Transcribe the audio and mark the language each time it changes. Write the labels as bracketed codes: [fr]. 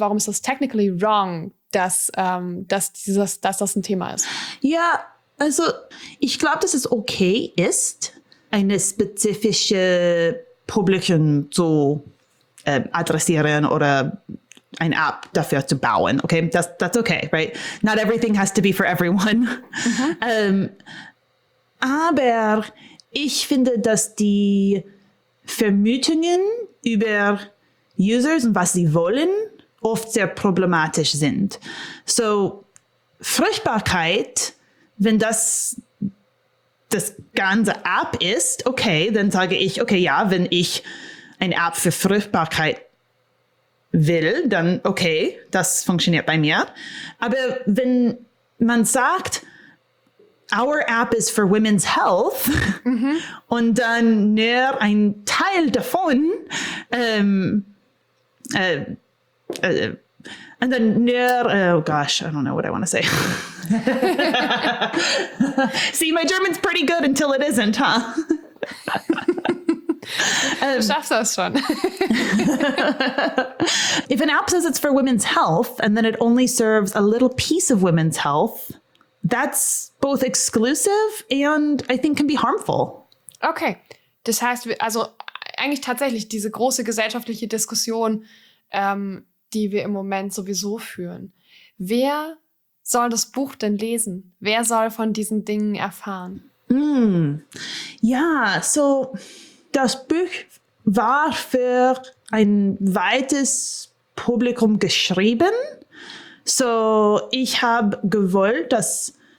[de] Warum ist das technically wrong, dass das ein Thema ist? Ja, also ich glaube, dass es okay ist, eine spezifische Publikum zu adressieren oder eine App dafür zu bauen. [en] Okay, that's okay, right? Not everything has to be for everyone. Mhm. [de] aber ich finde, dass die Vermutungen über Users und was sie wollen oft sehr problematisch sind. So, Fruchtbarkeit, wenn das ganze App ist, okay, dann sage ich, okay, ja, wenn ich eine App für Fruchtbarkeit will, dann okay, das funktioniert bei mir. [en] Aber wenn man sagt, our app is for women's health, mhm. [de] und dann nur ein Teil davon, und dann nur, oh gosh, I don't know what I want to say. [en] See, my German's pretty good until it isn't, huh? [de] Du schaffst das schon. [en] If an app says it's for women's health and then it only serves a little piece of women's health, that's both exclusive and I think can be harmful. [de] Okay, das heißt, also eigentlich tatsächlich diese große gesellschaftliche Diskussion, die wir im Moment sowieso führen. Wer soll das Buch denn lesen? Wer soll von diesen Dingen erfahren? Ja, so das Buch war für ein weites Publikum geschrieben. So, ich habe gewollt, dass